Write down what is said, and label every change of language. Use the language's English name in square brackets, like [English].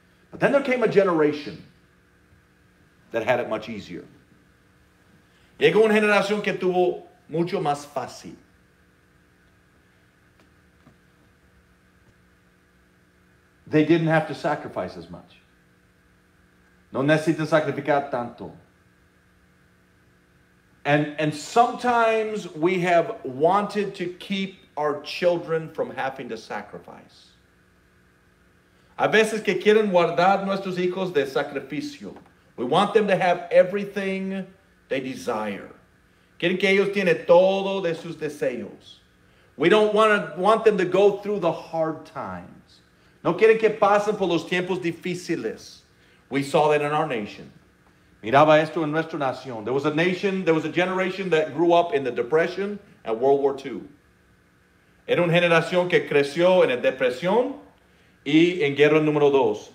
[English] But then there came a generation that had it much easier. [Spanish] Llegó una generación que tuvo mucho más fácil. [English] They didn't have to sacrifice as much. [Spanish] No necesitan sacrificar tanto. [English] And sometimes we have wanted to keep our children from having to sacrifice. [Spanish] A veces que quieren guardar nuestros hijos de sacrificio. [English] We want them to have everything they desire. [Spanish] Quieren que ellos tienen todo de sus deseos. [English] We don't want them to go through the hard times. [Spanish] No quieren que pasen por los tiempos difíciles. [English] We saw that in our nation. [Spanish] Miraba esto en nuestra nación. [English] There was a nation, there was a generation that grew up in the Depression and World War II. [Spanish] Era una generación que creció en la Depresión y en Guerra Número Dos.